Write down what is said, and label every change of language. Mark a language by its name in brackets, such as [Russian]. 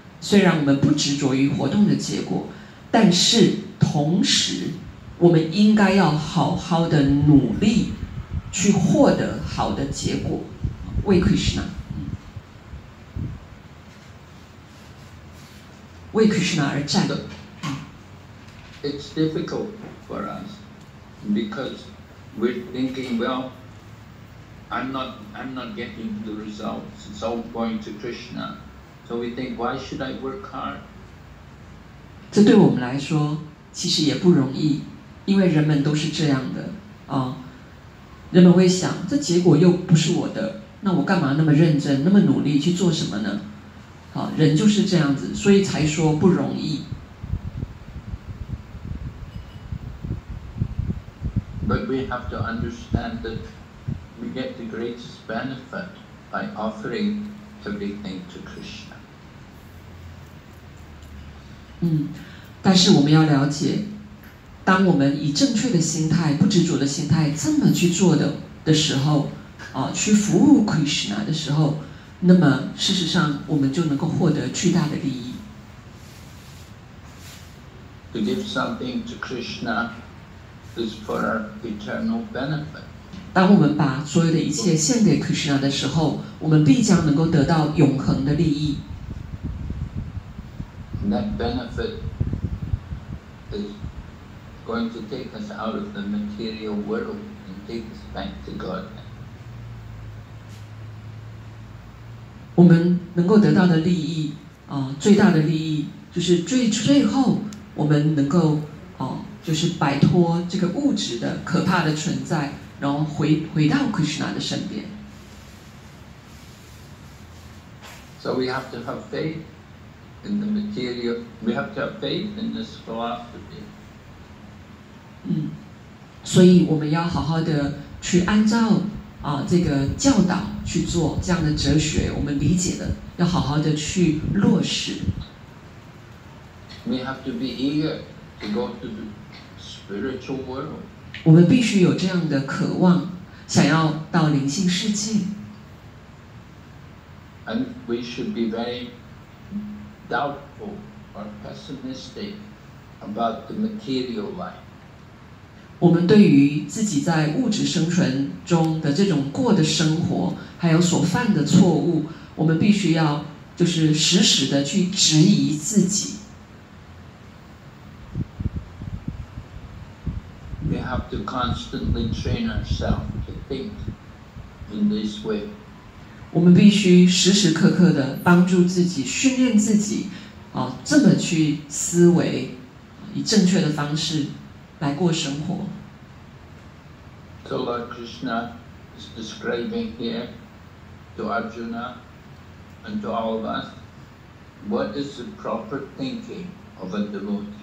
[Chinese] 虽然我们不执着于活动的结果，但是同时我们应该要好好的努力去获得好的结果，为 Krishna， 为 Krishna 而战。 [English] It's difficult for us becauseWe're thinking, well, I'm not getting the results. It's all going to Krishna. So we think, why should I work hard? [Chinese] 这对我们来说其实也不容易，因为人们都是这样的人们会想，这结果又不是我的，那我干嘛那么认真，那么努力去做什么呢？人就是这样子，所以才说不容易。 [English] But we have to understand that we get the greatest benefit by offering everything to Krishna. [Chinese] 但是我们要了解，当我们以正确的心态、不执着的心态这么去做的时候，去服务 Krishna 的时候，那么事实上我们就能够获得巨大的利益。 [English] To give something to Krishna. Is for our eternal benefit. [Chinese] 当我们把所有的一切献给 Krishna 的时候，我们必将能够得到永恒的利益。 [English] That benefit is going to take us out of the material world and take us back to God. [Chinese] 我们能够得到的利益，最大的利益就是最后我们能够就是摆脱这个物质的可怕的存在，然后回到 Krishna 的身边。 [English] So we have to have faith in the material. We have to have faith in this philosophy. [Chinese] 所以我们要好好的去按照这个教导去做，这样的哲学我们理解了，要好好的去落实。 [English] We have to be eager to go to the spiritual world. [Chinese] 我们必须有这样的渴望，想要到灵性世界。 [English] And we should be very doubtful or pessimistic about the material life. [Chinese] 我们对于自己在物质生存中的这种过的生活，还有所犯的错误，我们必须要就是时时的去质疑自己。 [English] We have to constantly train ourselves to think in this way. [Chinese] 我们必须时时刻刻的帮助自己，训练自己，这么去思维，以正确的方式来过生活。 [English] So Lord Krishna is describing here to Arjuna and to all of us, what is the proper thinking of a devotee?